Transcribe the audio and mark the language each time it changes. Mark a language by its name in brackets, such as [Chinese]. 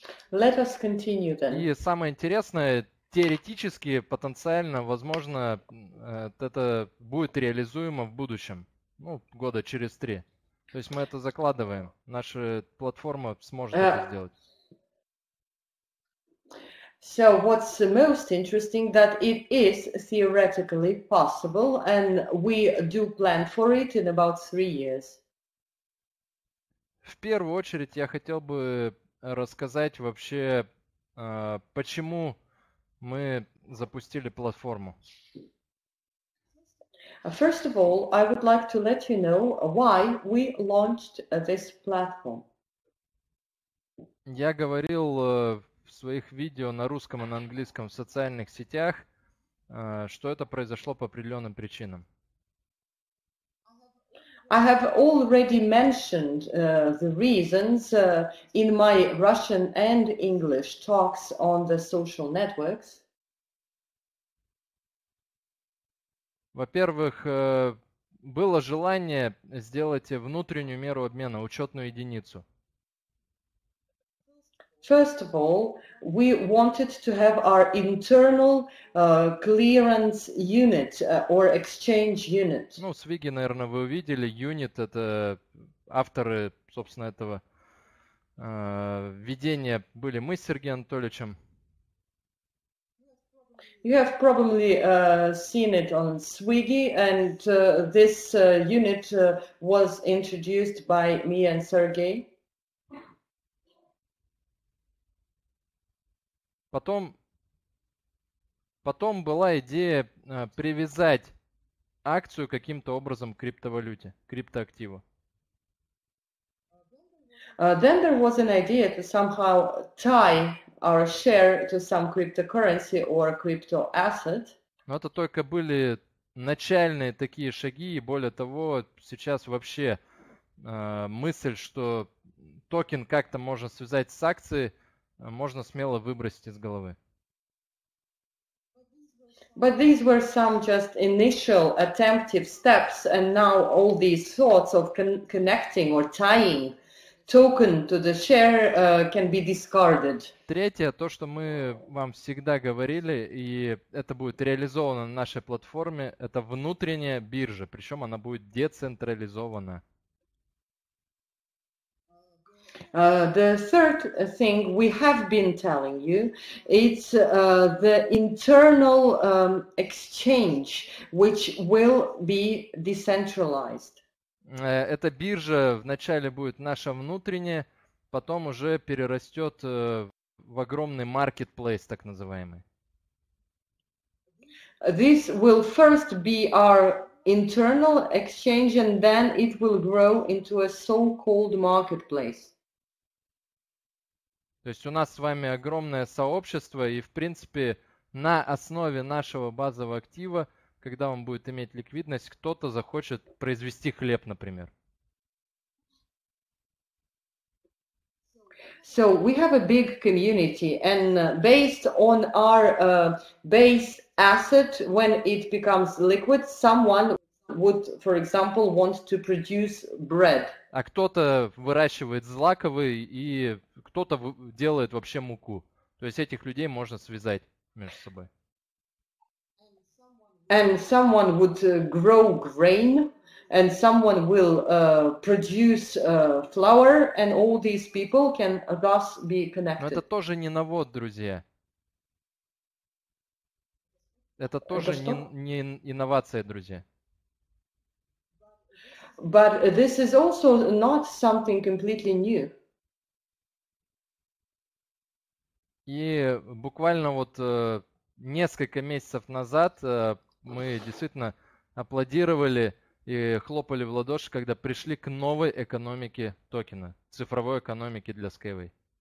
[English] Let us continue then. [Russian] И самое интересное, теоретически, потенциально, возможно, это будет реализуемо в будущем, ну, года через три. То есть мы это закладываем, наша платформа сможет это сделать. [English] So what's most interesting that it is theoretically possible and we do plan for it in about 3 years. [Russian] В первую очередь я хотел бы рассказать вообще, почему мы запустили платформу. [English] First of all, I would like to let you know why we launched this platform. [Russian] Я говорил в своих видео на русском и на английском в социальных сетях, что это произошло по определенным причинам. [English] I have already mentioned the reasons in my Russian and English talks on the social networks. [Russian] Во-первых, было желание сделать внутреннюю меру обмена, учетную единицу. [English] First of all, we wanted to have our internal clearance unit or exchange unit. [Russian] Ну, свиги, наверное, вы увидели. Юнит — это авторы, собственно, этого введения были мы с Сергеем Анатольевичем. [English] You have probably seen it on Swiggy, and this unit was introduced by me and Sergey. [Russian] Потом была идея привязать акцию каким-то образом к криптовалюте, криптоактиву. [English] Then there was an idea to somehow tie our share to some cryptocurrency or crypto asset. [Russian] Но это только были начальные такие шаги, и более того, сейчас вообще мысль, что токен как-то можно связать с акцией, можно смело выбросить из головы. [English] But these were some just initial attemptive steps, and now all these thoughts of connecting or tying token to the share can be discarded. [Russian] Третье, то, что мы вам всегда говорили, и это будет реализовано на нашей платформе, это внутренняя биржа, причем она будет децентрализована. [English] The third thing we have been telling you, it's the internal exchange, which will be decentralized. [Russian] Эта биржа вначале будет наша внутренняя, потом уже перерастет в огромный marketplace, так называемый. [English] This will first be our internal exchange, and then it will grow into a so-called marketplace. [Russian] То есть у нас с вами огромное сообщество, и в принципе на основе нашего базового актива, когда он будет иметь ликвидность, кто-то захочет произвести хлеб, например. [English] So we have a big community, and based on our base asset, when it becomes liquid, someone would, for example, want to produce bread. [Russian] А кто-то выращивает злаковые, и кто-то делает вообще муку. То есть этих людей можно связать между собой. [English] And someone would grow grain, and someone will produce flour, and all these people can thus be connected. [Russian] Но это тоже не навод, друзья. Это тоже не инновация, друзья. [English] But this is also not something completely new. [Russian] И буквально вот несколько месяцев назад мы действительно аплодировали и хлопали в ладоши, когда пришли к новой экономике токена, цифровой экономике для Skyway.